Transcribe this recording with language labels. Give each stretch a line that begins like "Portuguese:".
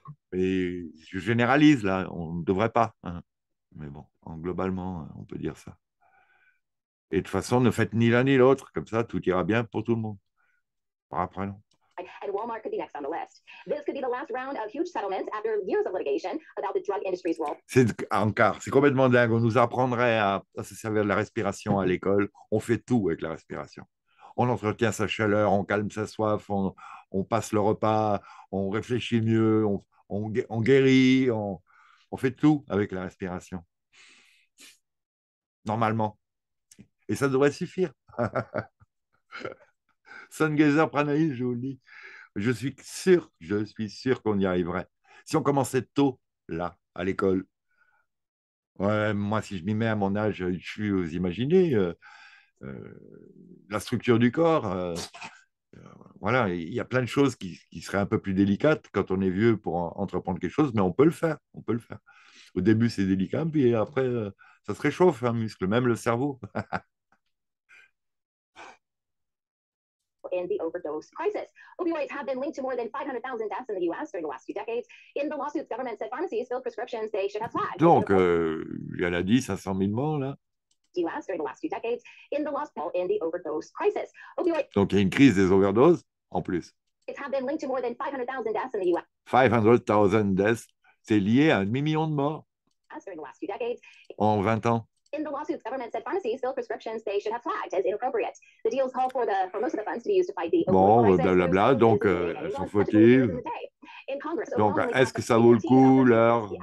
French: Et je généralise là, on ne devrait pas. Hein. Mais bon, globalement, on peut dire ça. Et de toute façon, ne faites ni l'un ni l'autre, comme ça, tout ira bien pour tout le monde. Par après, non.
English: And Walmart could be next on the list. This could be the last round of huge settlements after years of litigation about the drug industry's role.
French: C'est complètement dingue. On nous apprendrait à se servir de la respiration à l'école. On fait tout avec la respiration. On entretient sa chaleur, on calme sa soif, on passe le repas, on réfléchit mieux, on guérit, on fait tout avec la respiration. Normalement. Et ça devrait suffire. Sun Gazer Pranaïs, je vous le dis. Je suis sûr qu'on y arriverait. Si on commençait tôt, là, à l'école. Ouais, moi, si je m'y mets à mon âge, je suis, vous imaginez, la structure du corps. Voilà, il y a plein de choses qui seraient un peu plus délicates quand on est vieux pour entreprendre quelque chose, mais on peut le faire. On peut le faire. Au début, c'est délicat, puis après, ça se réchauffe, un muscle, même le cerveau.
English: In the overdose crisis. Opioids have been linked to more than 500,000 deaths in the U.S. during the last few decades. In the lawsuits, government said pharmacies filled prescriptions they should have flagged.
French: Donc, elle a dit 500 000 morts, là.
English: U.S. during the last few decades. In the lawsuit, in the overdose crisis. Opioids...
French: Donc, il y a une crise des overdoses, en plus.
English: It has been linked to more than 500,000 deaths in the U.S. 500,000 deaths,
French: c'est lié à 1 million de morts.
English: U.S. during the last few decades.
French: En 20 ans.
English: In the lawsuits, government said pharmacies fill prescriptions they should have flagged as inappropriate. The deals call for most of the funds to be used to fight the opioid crisis.
French: Bon, blablabla, donc elles sont fautives. Donc, est-ce que ça vaut le coup, l'heure?